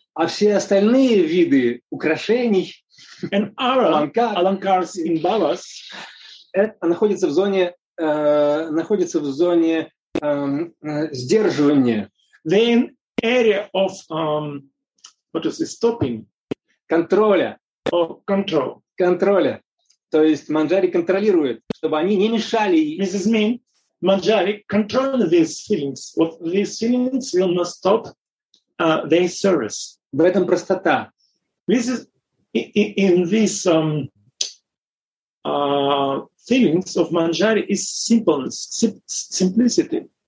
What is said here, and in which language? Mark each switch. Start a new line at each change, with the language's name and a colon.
Russian: А все остальные виды украшений,
English: and alankars in Bhavas,
Russian: находятся в зоне сдерживания.
English: They're in area of what is it, stopping?
Russian: Контроля.
English: Or control.
Russian: Контроля. То есть Манджари контролирует, чтобы они не мешали.
English: This is mean Манджари control these feelings. What these feelings will not stop their service.
Russian: В этом простота.
English: This is in this feelings of Manjari is simpleness, simplicity.